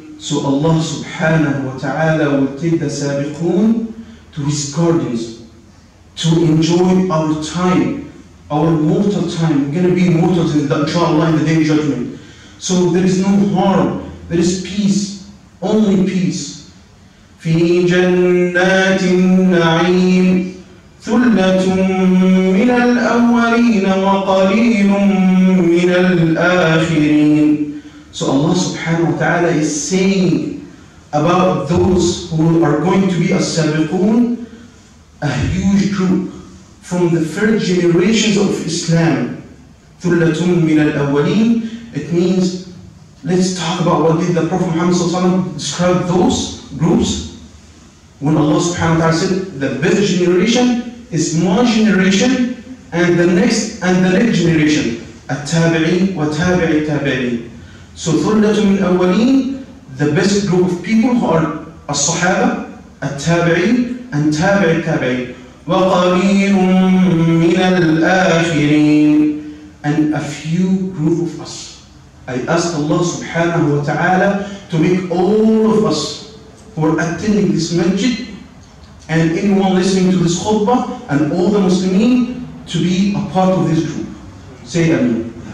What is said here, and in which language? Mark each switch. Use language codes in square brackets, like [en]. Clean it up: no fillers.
[en] So Allah subhanahu wa ta'ala will take the sabiqoon to his gardens to enjoy our time, our mortal time. We're going to be mortal in the inshallah in the day of judgment. So there is no harm, there is peace, only peace. [ar] في جنات النعيم ثلة من الأولين وقليل من الآخرين. [en] So Allah subhanahu wa ta'ala is saying about those who are going to be as-sabiqoon, a huge group from the first generations of Islam. [ar] ثُلَّةٌ مِنَ الْأَوَّلِينَ [en] It means, let's talk about what did the Prophet Muhammad ﷺ describe those groups. When Allah subhanahu wa ta'ala said, the best generation is one generation and the next generation. [ar] التابعي وتابعي التابعي. [en] So [ar] ثُلَّةٌ مِنَ الْأَوَّلِينَ [en] The best group of people who are الصحابة, التابعي and تابعي التابعي. [ar] وَقَلِيلٌ مِنَ الْآخِرِينَ [en] And a few group of us. I ask Allah subhanahu wa ta'ala to make all of us who are attending this masjid and anyone listening to this khutbah and all the Muslimin to be a part of this group. Say Ameen.